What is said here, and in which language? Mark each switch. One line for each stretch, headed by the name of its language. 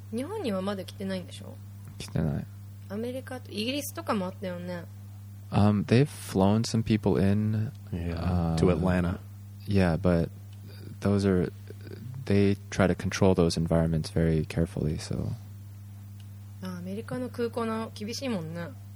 Japanese: 日本にはまだ来てないんでしょ? 来てない。アメリカと、イギリスとかもあったよね。
English: They've flown some people in. Yeah, to Atlanta. Yeah, but they try to control those environments very carefully, so...
Japanese: ああアメリカの空港の厳しいもんね。